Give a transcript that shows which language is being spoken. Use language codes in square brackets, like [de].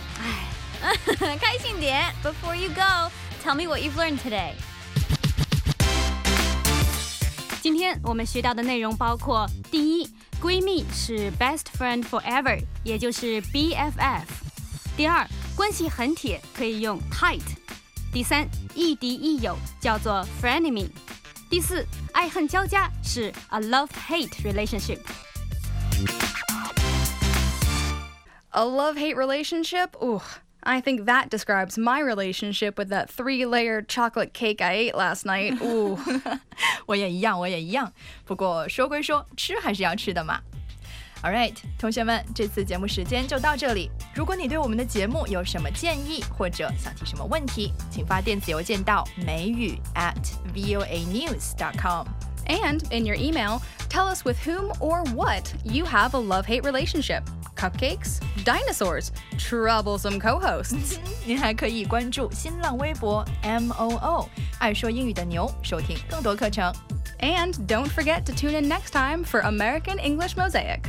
[zh] 哎，开心点。 [en] Before you go, tell me what you've learned today. [zh] 今天我们学到的内容包括第一，闺蜜是 [en] best friend forever， [zh] 也就是 BFF。第二，关系很铁可以用 tight。第三，亦敌亦友叫做 frenemy。第四，爱恨交加是 [en] a love-hate relationship。 A love-hate relationship? Ooh, I think that describes my relationship with that three-layered chocolate cake I ate last night. Ooh. [zh] 我也一样，我也一样。不过说归说，吃还是要吃的嘛。 [en] All right, [zh] 同学们，这次节目时间就到这里。如果你对我们的节目有什么建议或者想提什么问题，请发电子邮件到美语@voanews.com。 [en] And in your email, tell us with whom or what you have a love-hate relationship. Cupcakes? Dinosaurs? Troublesome co-hosts? [zh] 您还可以关注新浪微博 MOO, 爱说英语的牛，收听更多课程。 [en] And don't forget to tune in next time for American English Mosaic.